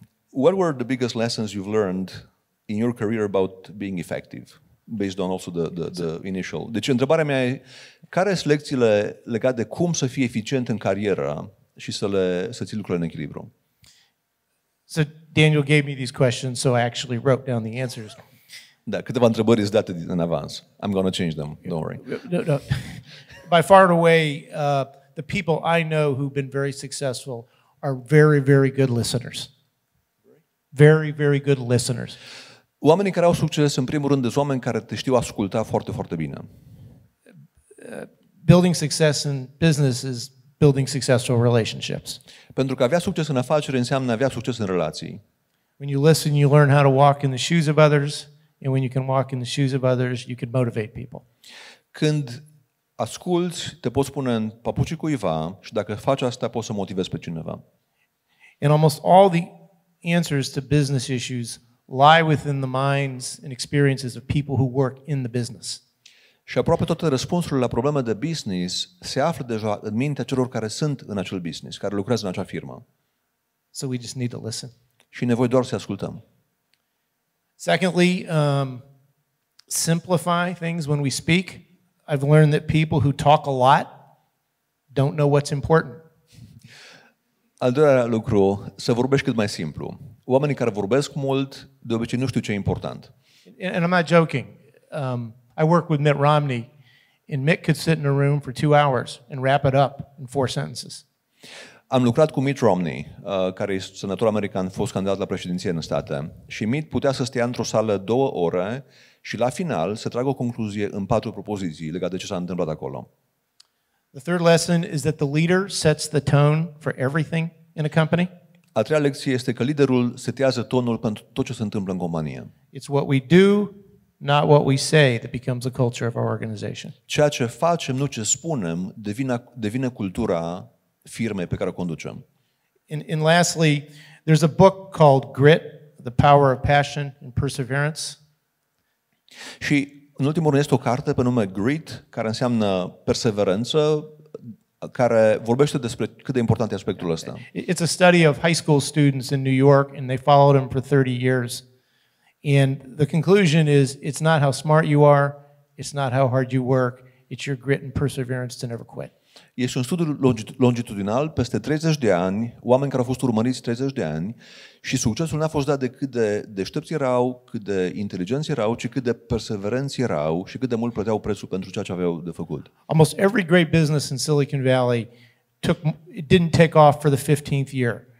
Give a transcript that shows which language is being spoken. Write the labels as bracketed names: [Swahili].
[English] What were the biggest lessons you've learned in your career about being effective, based on also the initial. [Romanian] Deci întrebarea mea e, care sunt lecțiile legate de cum să fii eficient în carieră și să ții lucrurile în echilibru? [English] So Daniel gave me these questions, so I actually wrote down the answers. [Romanian] Da, câteva întrebări îți date în avans. [English] I'm going to change them, don't worry. No, no. By far and away, the people I know who've been very successful are very, very good listeners. Very, very good listeners. [Romanian] Oamenii care au succes, în primul rând, sunt oameni care te știu asculta foarte, foarte bine. [English] Building success in business is building successful relationships. [Romanian] Pentru că avea succes în afaceri înseamnă avea succes în relații. [English] When you listen, you learn how to walk in the shoes of others, and when you can walk in the shoes of others, you can motivate people. [Romanian] Când asculți, te poți pune în papucii cuiva și dacă faci asta, poți să motivezi pe cineva. [English] And almost all the answers to business issues lie within the minds and experiences of people who work in the business. [Romanian] Și aproape toate răspunsurile la probleme de business se află deja în mintea celor care sunt în acel business, care lucrează în acea firmă. [English] So we just need to listen. [Romanian] Și nevoie doar să ascultăm. [English] Secondly, simplify things when we speak. I've learned that people who talk a lot don't know what's important. [Romanian] Al doilea lucru, să vorbești cât mai simplu. Oamenii care vorbesc mult, de obicei nu știu ce e important. [English] And I'm not joking. I work with Mitt Romney, and Mitt could sit in a room for 2 hours and wrap it up in 4 sentences. [Romanian] Am lucrat cu Mitt Romney, care e senator american, fost candidat la președinție în state, și Mitt putea să stea într-o sală 2 ore și la final să tragă o concluzie în 4 propoziții legate de ce s-a întâmplat acolo. [English] The third lesson is that the leader sets the tone for everything in a company. [Romanian] A treia lecție este că liderul setează tonul pentru tot ce se întâmplă în companie. [English] It's what we do, not what we say, that becomes the culture of our organization. [Romanian] Ceea ce facem, nu ce spunem, devine cultura firmei pe care o conducem. [English] And lastly, there's a book called Grit, The Power of Passion and Perseverance. [Romanian] Și în ultimul rând este o carte pe nume Grit, care înseamnă perseverență, care vorbește despre cât de important e aspectul ăsta. [English] It's a study of high school students in New York, and they followed them for 30 years. And the conclusion is, it's not how smart you are, it's not how hard you work, it's your grit and perseverance to never quit. [Romanian] Este un studiu longitudinal, peste 30 de ani, oameni care au fost urmăriți 30 de ani, și succesul n-a fost dat de cât de deștepți erau, cât de inteligenți erau, ci cât de perseverenți erau și cât de mult plăteau prețul pentru ceea ce aveau de făcut. [English] Almost every great business in Silicon Valley didn't take off for the 15th year.